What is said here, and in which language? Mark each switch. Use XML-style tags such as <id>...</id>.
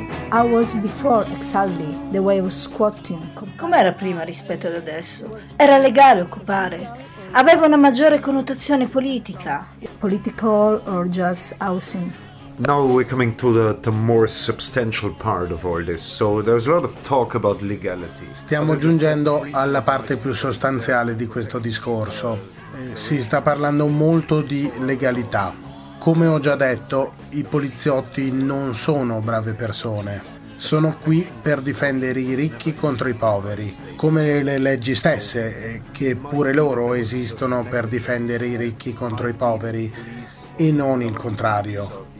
<en>I was before exactly the way I was squatting.</en> <it>Com'era prima rispetto ad adesso? Era legale occupare? Aveva una maggiore connotazione politica?</it> <en>Political or just housing? Now we're coming to the more substantial part of all this. So there's a lot of talk about legality.</en> <it>Stiamo giungendo alla parte più sostanziale di questo discorso. Si sta parlando molto di legalità. Come ho già detto, i poliziotti non sono brave persone. Sono qui per difendere i ricchi contro i poveri, come le leggi stesse, che pure loro esistono per difendere i ricchi contro i poveri, e non il contrario.</it>